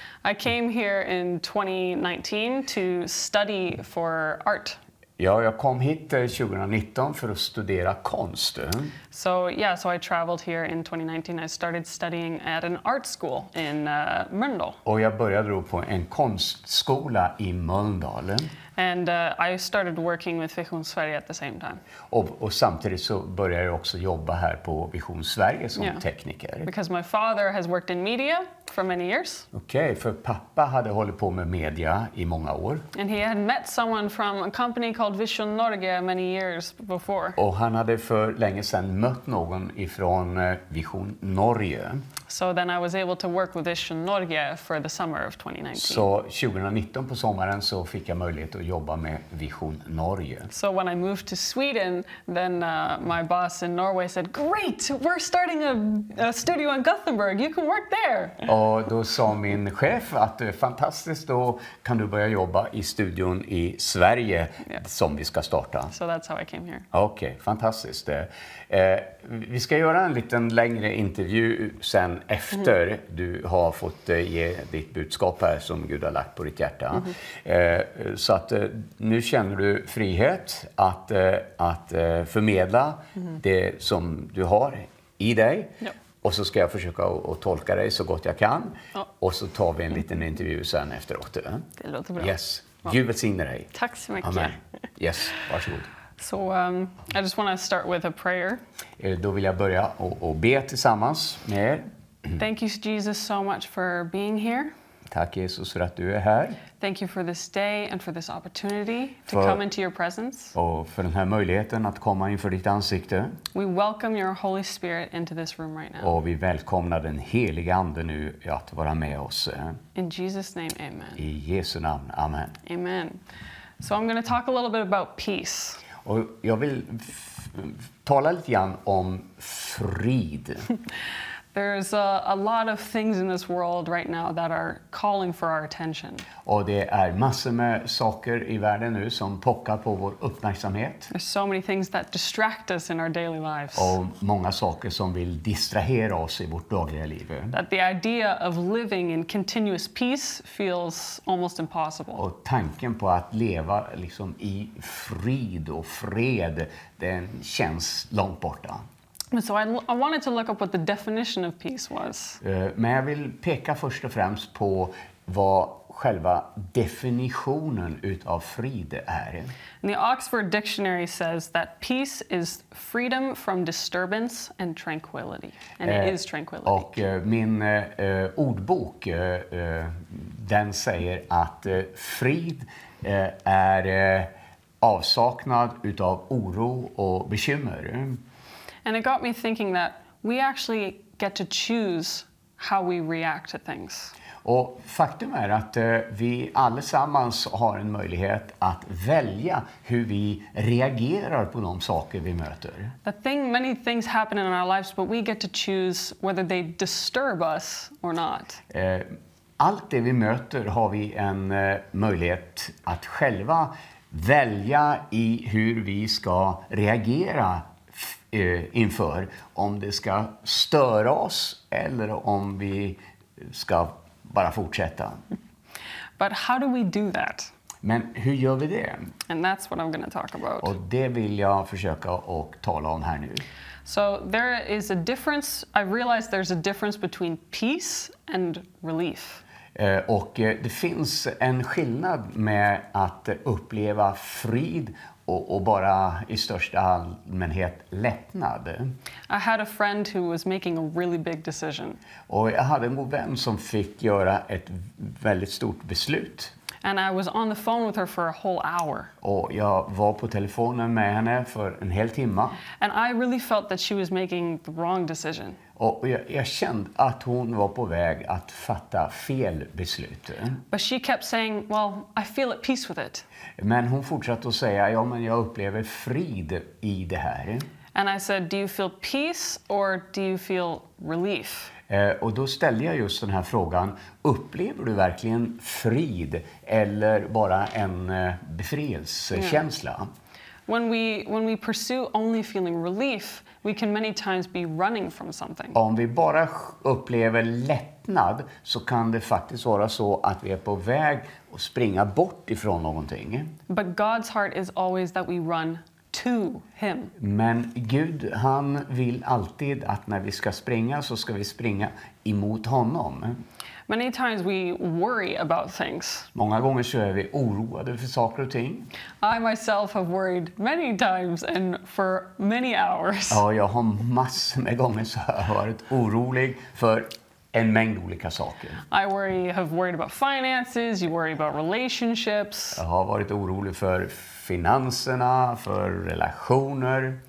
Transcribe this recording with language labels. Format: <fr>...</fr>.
<en>I came here in 2019 to study for art.</en> <sv>Ja, jag kom hit 2019 för att studera konst.</sv> <en>So, yeah, so I traveled here in 2019. I started studying at an art school in Mölndal.</en> <sv>Och jag började då på en konstskola i Mölndal.</sv> <en>And I started working with Vision Sverige at the same time.</en> <sv>Och samtidigt så började jag också jobba här på Vision Sverige som tekniker.</sv> <en>Because my father has worked in media for many years.</en> <sv>Okej, för pappa hade hållit på med media i många år.</sv> <en>And he had met someone from a company called Vision Norge many years before.</en> <sv>Och han hade för länge sedan mött någon ifrån Vision Norge.</sv> <en>So then I was able to work with Vision Norge for the summer of 2019.</en> <sv>Så 2019 på sommaren så fick jag möjlighet att jobba med Vision Norge.</sv> <en>So when I moved to Sweden, then my boss in Norway said, "Great, we're starting a studio in Gothenburg. You can work there."</en> <sv>Och då sa min chef att det är fantastiskt, då kan du börja jobba i studion i Sverige som vi ska starta.</sv> <en>So that's how I came here.</en> <sv>Okej, fantastiskt. Vi ska göra en liten längre intervju sen efter du har fått ge ditt budskap här som Gud har lagt på ditt hjärta. Mm-hmm. Så att nu känner du frihet att förmedla det som du har i dig. Ja. Och så ska jag försöka att tolka dig så gott jag kan. Ja. Och så tar vi en liten intervju sen efteråt. Det låter bra. Yes. Gud välsigne dig. Tack så mycket. Amen. Yes, varsågod.</sv> <en>So I just want to start with a prayer.</en> <sv>Då vill jag börja och be tillsammans med er.</sv> <en>Thank you Jesus so much for being here.</en> <sv>Tack Jesus för att du är här.</sv> <en>Thank you for this day and for this opportunity to come into your presence.</en> <sv>Och för den här möjligheten att komma inför ditt ansikte.</sv> <en>We welcome your Holy Spirit into this room right now.</en> <sv>Och vi välkomnar den helige ande nu att vara med oss.</sv> <en>In Jesus name, amen.</en> <sv>I Jesu namn, amen.</sv> <en>Amen. So I'm going to talk a little bit about peace.</en> <sv>Och jag vill tala lite grann om frid.</sv> <en>There's a lot of things in this world right now that are calling for our attention.</en> <sv>Och det är massor med saker i världen nu som pockar på vår uppmärksamhet.</sv> <en>There's so many things that distract us in our daily lives.</en> <sv>Och många saker som vill distrahera oss i vårt dagliga liv.</sv> <en>That the idea of living in continuous peace feels almost impossible.</en> <sv>Och tanken på att leva liksom i frid och fred, den känns långt borta.</sv> <en>So I wanted to look up what the definition of peace was.</en> <sv>Men jag vill peka först och främst på vad själva definitionen utav frid är.</sv> <en>The Oxford Dictionary says that peace is freedom from disturbance and tranquility. And it is tranquility.</en> <sv>Och min ordbok, den säger att frid är avsaknad utav oro och bekymmer.</sv> <en>And it got me thinking that we actually get to choose how we react to things.</en> <sv>Och faktum är att vi allesammans har en möjlighet att välja hur vi reagerar på de saker vi möter.</sv> <en>The thing, many things happen in our lives, but we get to choose whether they disturb us or not.</en> <sv>Allt det vi möter har vi en möjlighet att själva välja i hur vi ska reagera inför, om det ska störa oss eller om vi ska bara fortsätta.</sv> <en>But how do we do that?</en> <sv>Men hur gör vi det?</sv> <en>And that's what I'm going to talk about.</en> <sv>Och det vill jag försöka och tala om här nu.</sv> <en>So there is a difference, I realize there's a difference between peace and relief.</en> <sv>Och det finns en skillnad med att uppleva frid och bara i största allmänhet lättnad.</sv> <en>I had a friend who was making a really big decision.</en> <sv>Och jag hade en god vän som fick göra ett väldigt stort beslut.</sv> <en>And I was on the phone with her for a whole hour.</en> <sv>Och jag var på telefonen med henne för en hel timme.</sv> <en>And I really felt that she was making the wrong decision.</en> <sv>Och jag kände att hon var på väg att fatta fel beslut.</sv> <en>But she kept saying, well, I feel at peace with it.</en> <sv>Men hon fortsatte att säga, ja men jag upplever frid i det här.</sv> <en>And I said, do you feel peace or do you feel relief?</en> <sv>Och då ställde jag just den här frågan, upplever du verkligen frid eller bara en befrielsekänsla? Mm.</sv> <en>When we pursue only feeling relief, we can many times be running from something.</en> <sv>Om vi bara upplever lättnad så kan det faktiskt vara så att vi är på väg att springa bort ifrån någonting.</sv> <en>But God's heart is always that we run to him.</en> <sv>Men Gud, han vill alltid att när vi ska springa så ska vi springa emot honom.</sv> <en>Many times we worry about things.</en> <sv>Många gånger så är vi oroade för saker och ting.</sv> <en>I myself have worried many times and for many hours.</en> <sv>Ja, jag har massor med gånger så har jag varit orolig för en mängd olika saker.</sv> <en>I worry, have worried about finances, you worry about relationships.</en> <sv>Jag har varit orolig för finanserna, för relationer.</sv>